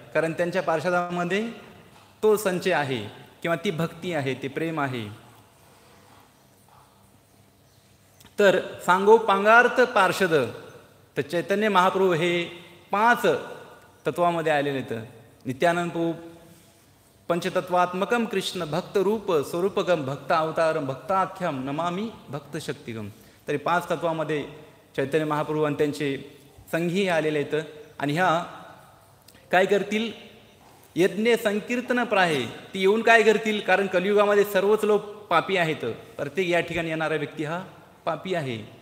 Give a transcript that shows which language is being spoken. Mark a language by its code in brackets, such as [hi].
[mr] कारण त्यांच्या पार्षदामध्ये तो संचय आहे किंवा ती भक्ती आहे, ते प्रेम आहे. तर सांगोपांगार्थ पार्षद, तर चैतन्य महाप्रभू हे पाच तत्वामध्ये आलेले आहेत. [sa] नित्यानंद रूप पंचतत्वात्मकम कृष्ण भक्तरूप स्वरूपगम भक्त अवतारम भक्ताख्यम नमामी भक्त शक्तिगम. [mr] तरी पाच तत्वामध्ये चैतन्य महाप्रभू आणि त्यांचे संघी आलेले आहेत. आणि ह्या काय करतील, यज्ञ संकीर्तन प्राहे ती येऊन काय करतील, कारण कलियुगामध्ये सर्वच लोक पापी आहेत, प्रत्येक या ठिकाणी येणारा व्यक्ती हा पापी आहे.